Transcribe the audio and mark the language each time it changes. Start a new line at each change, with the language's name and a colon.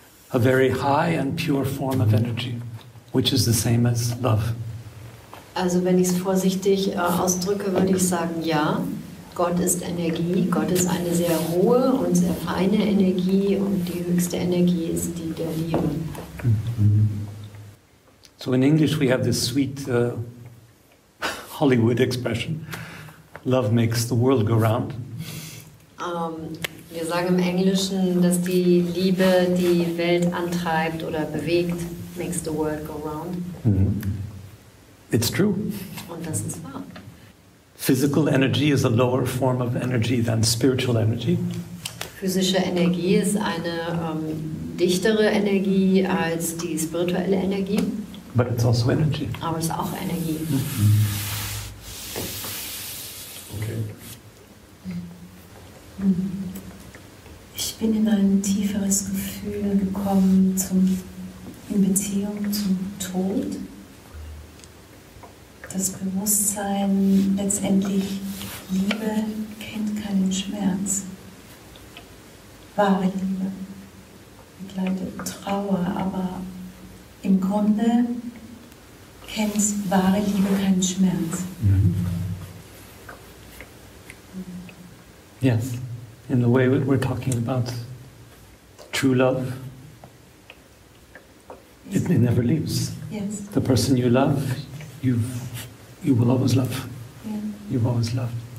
English: A very high and pure form of energy. Which is the same as love.
German: Also wenn ich es vorsichtig ausdrücke, würde ich sagen, ja, Gott ist Energie. Gott ist eine sehr hohe und sehr feine Energie und die höchste Energie ist die der Liebe. Mm-hmm.
English: So in English we have this sweet Hollywood expression, love makes the world go round.
German: Wir sagen im Englischen, dass die Liebe die Welt antreibt oder bewegt.
English: Makes the world go round. Mm-hmm. It's true.
German: Und das ist wahr.
English: Physical energy is a lower form of energy than spiritual energy.
German: Physische Energie ist eine dichtere Energie als die spirituelle Energie.
English: But it's also energy.
German: Aber es ist auch Energie. Mm-hmm.
English: Okay.
German: Ich bin in ein tieferes Gefühl gekommen in Beziehung zum Tod, das Bewusstsein letztendlich Liebe kennt keinen Schmerz. Wahre Liebe begleitet Trauer, aber im Grunde kennt wahre Liebe keinen Schmerz. Mm-hmm.
English: Yes, in the way we're talking about true love, it never leaves. Yes. The person you love, you will always love. Yeah. You've always loved.